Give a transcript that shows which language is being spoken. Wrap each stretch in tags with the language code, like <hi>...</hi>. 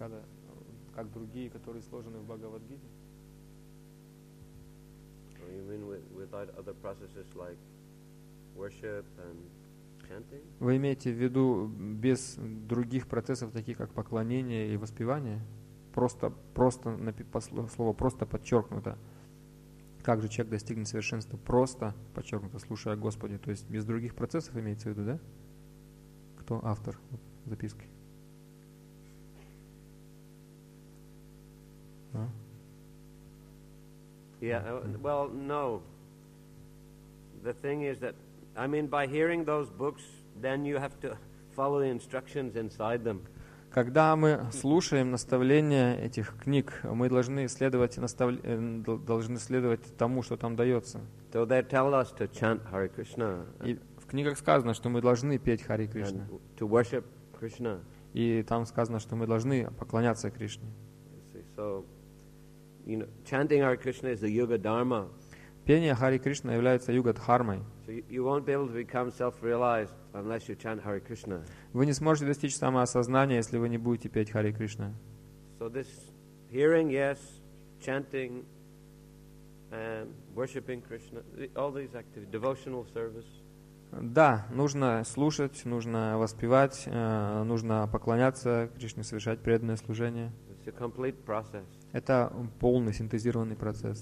<ru>other, как другие, которые сложены в Бхагавад-гите.</ru> <en>You mean without other processes like worship and</en> <ru>Вы имеете в виду без других процессов, таких как поклонение и воспевание? Просто слово просто подчеркнуто. Как же человек достигнет совершенства? Просто подчеркнуто, слушая Господи. То есть без других процессов имеется в виду, да? Кто автор записки?</ru> <en>Yeah, well, no. The thing is that, I mean, by hearing those books, then you have to follow the instructions inside them.</en> <ru>Когда мы слушаем наставления этих книг, мы должны следовать тому, что там дается.</ru> <en>So they tell us to chant Hare Krishna.</en> <ru>И в книгах сказано, что мы должны петь Hare Krishna.</ru> <en>And to worship Krishna.</en> <ru>И там сказано, что мы должны поклоняться Кришне.</ru> <en>So, you know, chanting Hare Krishna is the yuga dharma.</en> <ru>Пение Hare Krishna является юга-дхармой.</ru> <en>You won't be able to become self-realized unless you chant Hare Krishna.</en> <ru>Вы не сможете достичь самоосознания, если вы не будете петь Hare Krishna.</ru> <en>So this hearing, yes, chanting and worshiping Krishna, all these activities, devotional service.</en> <ru>Да, нужно слушать, нужно воспевать, нужно поклоняться Кришне, совершать преданное служение.</ru> <en>It's a complete process.</en> <ru>Это полный синтезированный процесс.</ru>